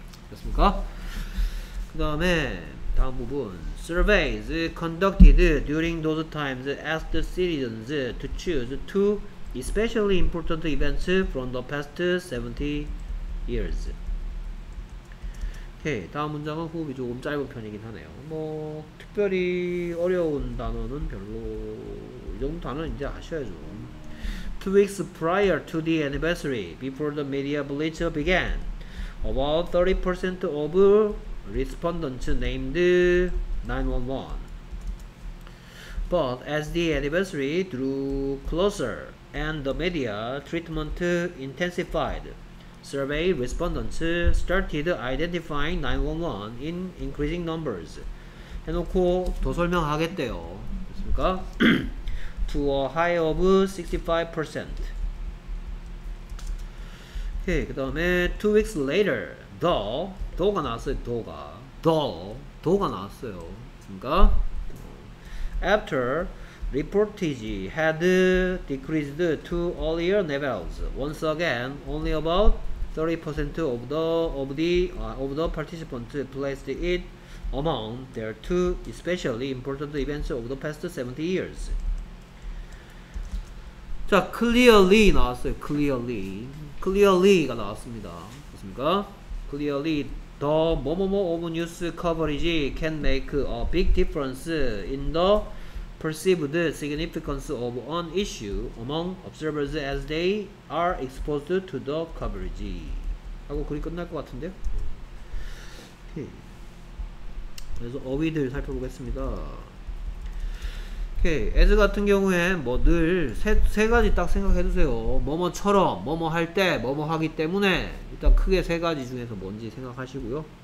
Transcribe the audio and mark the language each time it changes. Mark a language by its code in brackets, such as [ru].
[ko] 됐습니까? 그 다음에 다음 부분 [en] surveys conducted during those times asked citizens to choose two especially important events from the past 70 years. 오케이. [ko] 다음 문장은 호흡이 조금 짧은 편이긴 하네요. 뭐 특별히 어려운 단어는 별로 이 정도 단어는 이제 아셔야죠. [en] Two weeks prior to the anniversary, before the media blitz began, about 30% of respondents named 911. But as the anniversary drew closer and the media treatment intensified, Survey respondents started identifying 911 in increasing numbers. [ko] 해놓고 더 설명하겠대요. 됐습니까? [en] to a high of 65%. [ko] 오케이. 그 다음에 [en] two weeks later, though [ko] 가 나왔어요. though가 나왔어요. 됐습니까? [en] After reportage had decreased to earlier levels, once again, only about 30% of the participants placed it among their two especially important events of the past 70 years. [ko] 자, clearly 나왔어요. clearly가 나왔습니다. 맞습니까? [en] clearly the 뭐뭐뭐 of news coverage can make a big difference in the perceived significance of an issue among observers as they are exposed to the coverage. [ko] 하고 글이 끝날 것 같은데요. 오케이. 그래서 어휘들 살펴보겠습니다. 오케이. as 같은 경우에 뭐 늘 세 가지 딱 생각해 두세요. 뭐뭐처럼 뭐뭐 할 때 뭐뭐 하기 때문에 일단 크게 세 가지 중에서 뭔지 생각하시고요.